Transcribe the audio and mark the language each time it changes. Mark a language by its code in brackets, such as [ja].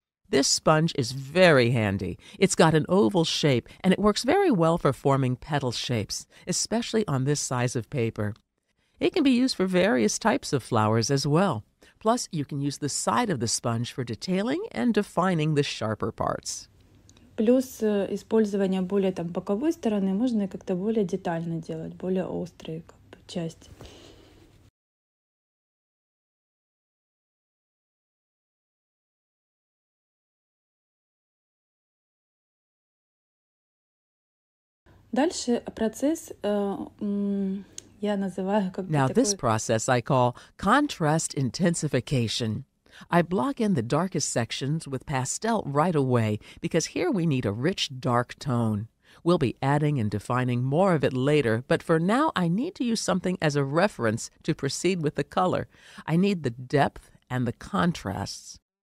[en] This sponge is very handy. It's got an oval shape, and it works very well for forming petal shapes, especially on this size of paper. It can be used for various types of flowers as well. Plus, you can use the side of the sponge for detailing and defining the sharper parts. [ru] Плюс использование более там боковой стороны можно как-то более детально делать, более острые как бы, части. Дальше процесс я называю как бы [en] Now this process I call contrast intensification. I block in the darkest sections with pastel right away because here we need a rich dark tone. We'll be adding and defining more of it later, but for now I need to use something as a reference to proceed with the color. I need the depth and the contrasts.